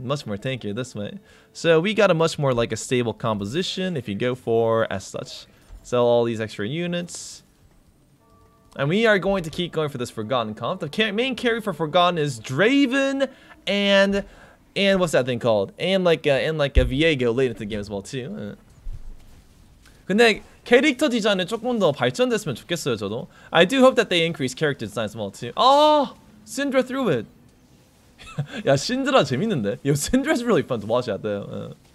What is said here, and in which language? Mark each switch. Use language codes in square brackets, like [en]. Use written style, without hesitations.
[en] Much more tankier this way. So we got a much more a stable composition if you go for as such. Sell all these extra units. And we are going to keep going for this Forgotten comp. The main carry for Forgotten is Draven and what's that thing called? And a Viego late into the game as well too. [ko] 근데 캐릭터 디자인이 조금 더 발전됐으면 좋겠어요, 저도. [en] I do hope that they increase character design as well too. Oh, Syndra threw it. Yeah, Syndra [ko] 재밌는데. [en] Yo, Syndra's really fun to watch out though.